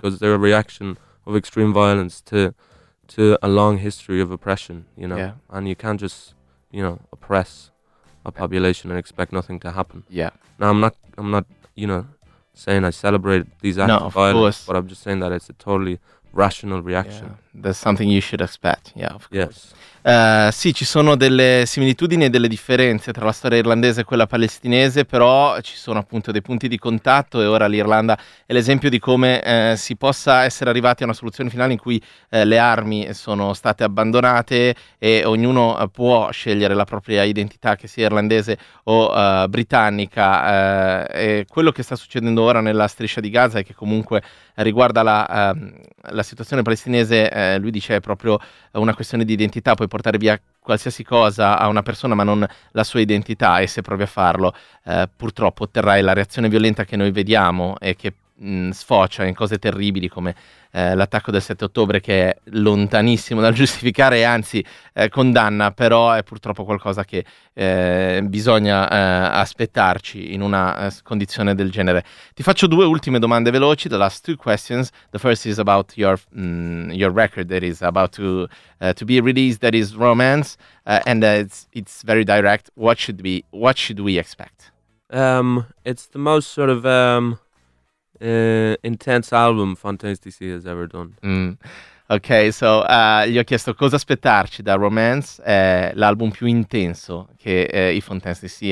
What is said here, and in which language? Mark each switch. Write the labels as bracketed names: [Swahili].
[English] Because they're a reaction of extreme violence to a long history of oppression, you know. Yeah. And you can't just, you know, oppress a population and expect nothing to happen. Yeah. Now, I'm not, you know, saying I celebrate these acts of violence. No, of course. But I'm just saying that it's a totally rational reaction. Yeah, there's something you should expect. Yeah, of course. Yes. [Italian] Sì, ci sono delle similitudini e delle differenze tra la storia irlandese e quella palestinese, però ci sono appunto dei punti di contatto, e ora l'Irlanda è l'esempio di come si possa essere arrivati a una soluzione finale in cui le armi sono state abbandonate e ognuno può scegliere la propria identità, che sia irlandese o britannica. E quello che sta succedendo ora nella striscia di Gaza, e che comunque riguarda la situazione palestinese, lui dice, è proprio una questione di identità. Puoi portare via qualsiasi cosa a una persona, ma non la sua identità, e se provi a farlo, purtroppo otterrai la reazione violenta che noi vediamo e che sfocia in cose terribili come l'attacco del 7 ottobre, che è lontanissimo dal giustificare e anzi condanna, però è purtroppo qualcosa che bisogna aspettarci in una condizione del genere. Ti faccio due ultime domande veloci, [English] the last two questions. The first is about your record that is about to be released, that is Romance, and it's very direct. What should we expect? It's the most sort of intense album Fontaine's DC has ever done. Mm. [Italian] Ok, so gli ho chiesto cosa aspettarci da Romance, l'album più intenso che i Fontaines D.C.